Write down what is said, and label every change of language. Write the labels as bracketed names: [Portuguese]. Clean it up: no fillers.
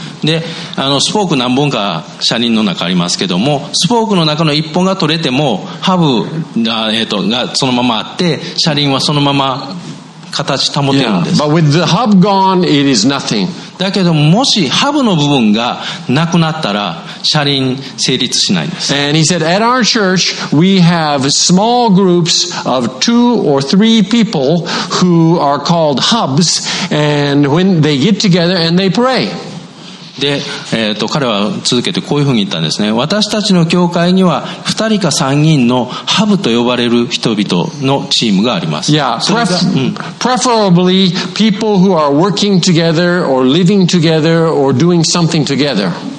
[Japanese] で、スポーク何本か車輪の中ありますけども、スポークの中の1本が取れても、ハブが、がそのままあって、車輪はそのまま形保てるんです。 [English] Yeah, but with the hub gone, it is nothing. [Japanese] だけどもしハブの部分がなくなったら車輪成立しないんです。 [English] And he said, at our church, we have small groups of two or three people who are called hubs, and when they get together and they pray. [Japanese] で、彼は続けてこういうふうに言ったんですね。私たちの教会には2人か3人のハブと呼ばれる人々のチームがあります。 [English] Yeah, preferably people who are working together or living together or doing something together.